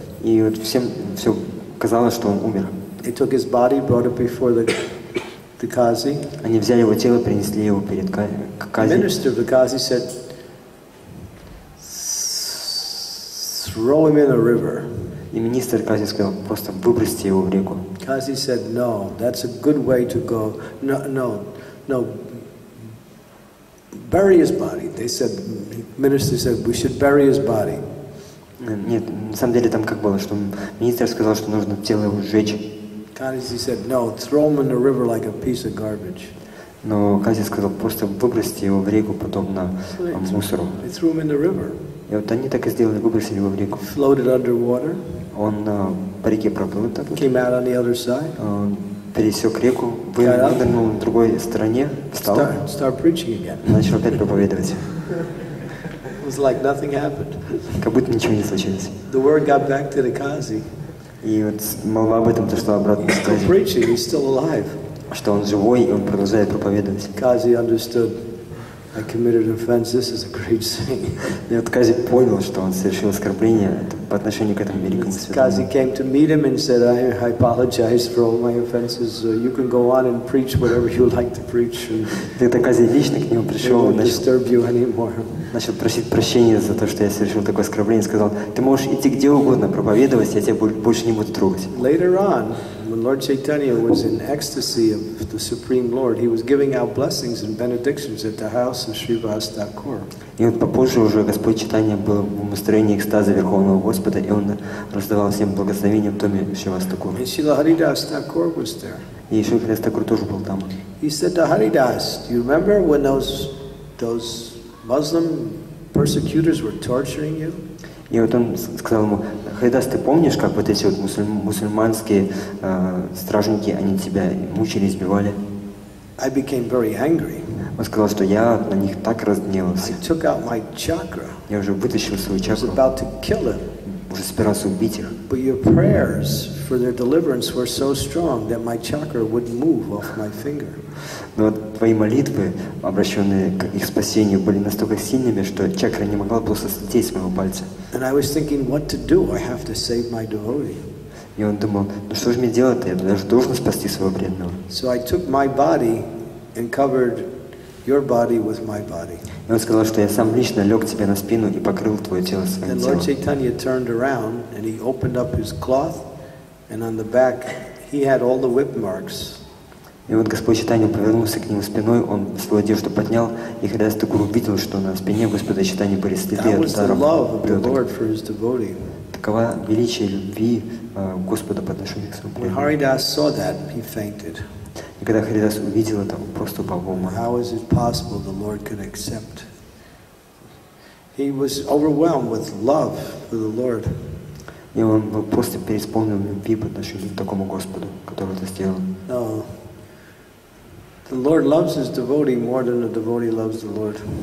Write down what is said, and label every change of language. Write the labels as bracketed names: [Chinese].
[Russian] И вот всем все казалось, что он умер. [English] They took his body, brought it before the Qazi. [Russian] Они взяли его тело, принесли его перед Qazi. [English] Minister of the Qazi said, throw him in a river. [Russian] И министр Qazi сказал: просто выбросьте его в реку. [English] Qazi said, no, that's a good way to go. No, no, no. Bury his body. They said, minister said, we should bury his body. [Russian] Нет, на самом деле там как было, что министр сказал, что нужно тело его сжечь. [English] Qazi said, no, throw him in the river like a piece of garbage. [Russian] Но Qazi сказал: просто выбросьте его в реку, подобно мусору. [English] They threw him in the river. [Russian] И вот они так и сделали, выбросили его в реку. [English] Floated underwater. [Russian] Он по реке проплыл так. [English] Came out on the other side. [Russian] Он пересек реку, вынырнул на другой стороне, встал. [English] Start preaching again. [Russian] Начал опять проповедовать. [English] It was like nothing happened. [Russian] Как будто ничего не случилось. [English] The word got back to the Qazi. [Russian] И вот молва об этом дошла обратно. [English] He's still preaching. He's still alive. [Russian] Что он живой, и он продолжает проповедовать. [English] Qazi understood. I committed an offense. This is a great saint. [Russian] И вот Qazi понял, что он совершил оскорбление по отношению к этому великому святому. [English] Qazi came to meet him and said, I apologize for all my offenses. You can go on and preach whatever you like to preach. [Russian] И тогда Qazi лично к нему пришел и начал просить прощения за то, что я совершил такое оскорбление. Сказал: ты можешь идти где угодно проповедовать, я тебя больше не буду трогать. [English] Later on, when Lord Chaitanya was in ecstasy of the Supreme Lord, he was giving out blessings and benedictions at the house of Sri Vasudev. [Russian] И вот попозже уже Господь Чайтанья был в настроении экстаза Верховного Господа, и он раздавал всем благословения в доме Шри Вастакур. [English] And Srila Haridas Thakur was there. [Russian] И Шри Харидас Такур тоже был там. [English] He said to Haridas, do you remember when those Muslim persecutors were torturing you? [Russian] И вот он сказал ему: «Хайдас, ты помнишь, как вот эти вот мусульманские стражники, они тебя мучили, избивали?» [English] I became very angry. [Russian] Он сказал, что я на них так разгневался. [English] I took out my chakra. [Russian] Я уже вытащил свою чакру. [English] I was about to kill him. [Russian] Уже собирался убить их. [English] But your prayers for their deliverance were so strong that my chakra would move off my finger. [Russian] Но твои молитвы, обращенные к их спасению, были настолько сильными, что чакра не могла просто слететь с моего пальца. [English] And I was thinking, what to do? I have to save my devotee. [Russian] И он думал: ну что же мне делать-то? Я даже должен спасти своего преданного. [English] So I took my body and covered your body with my body. [Russian] И он сказал, что я сам лично лег тебе на спину и покрыл твое тело своим телом. [English] And Lord Chaitanya turned around and he opened up his cloth, and on the back he had all the whip marks. [Russian] И вот Господь Чайтанья повернулся к нему спиной, он свою одежду поднял, и Харидас Тхакур увидел, что на спине Господа Чайтанья были следы от ударов. Такова величие любви Господа по отношению к своему преданному. [English] When Haridas saw that, he fainted. [Russian] И когда Харидас увидел это, он просто упал в обморок. [English] How is it possible the Lord could accept? He was overwhelmed with love for the Lord. [Russian] И он был просто переполнен любви по отношению к такому Господу, который это сделал. [English] No. The Lord loves his devotee more than a devotee loves the Lord.